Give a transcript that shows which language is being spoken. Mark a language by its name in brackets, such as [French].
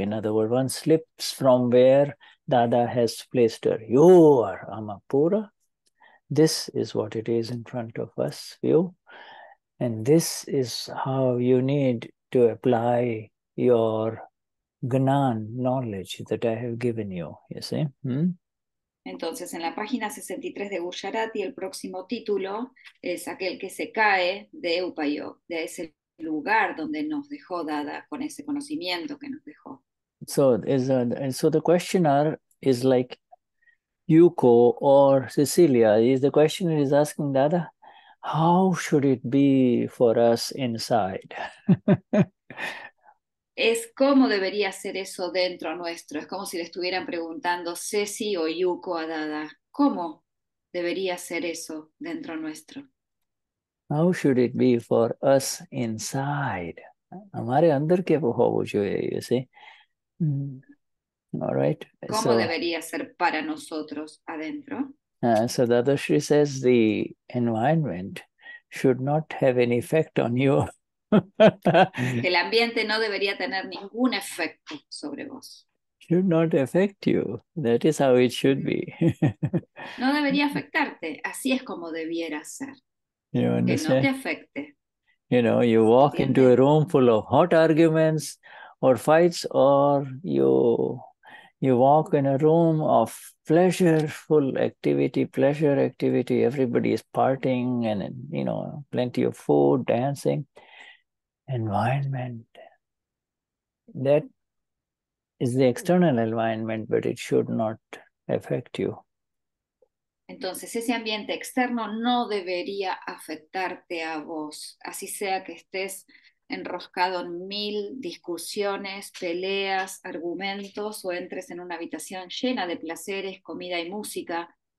[English] In other words, one slips from where Dada has placed her. You are Amapura. This is what it is in front of us, view. And this is how you need to apply your gnan, knowledge that I have given you, you see. [Spanish] Entonces, en la página 63 de Gujarati, el próximo título es aquel que se cae de upayog, de ese lugar donde nos dejó Dada con ese conocimiento que nos dejó. [English] So the questioner is like Yuko or Cecilia. The questioner is asking Dada, how should it be for us inside? [Spanish] Es como debería ser eso dentro nuestro. Es como si le estuvieran preguntando Ceci o Yuko a Dada, ¿cómo debería ser eso dentro nuestro? [English] How should it be for us inside? [Gujarati] Amare andar ke ho chuye, [English] you see? All right. [Spanish] ¿Cómo debería ser para nosotros adentro? [English] So Dadashri says the environment should not have any effect on you. [Spanish] El ambiente no debería tener ningún efecto sobre vos. [English] Should not affect you. That is how it should be. [Spanish] No debería afectarte. Así es como debiera ser. [English] You understand? [Spanish] Que no te afecte. [English] You know, you walk into a room full of hot arguments or fights, or you walk in a room of pleasureful activity, pleasure activity, everybody is partying and, you know, plenty of food, dancing. Environment, that is the external environment, but it should not affect you. [Spanish] Entonces, ese ambiente externo no debería afectarte a vos, así sea que estés enroscado en mil discusiones, peleas, argumentos, o entres en una habitación llena de placeres, comida y música.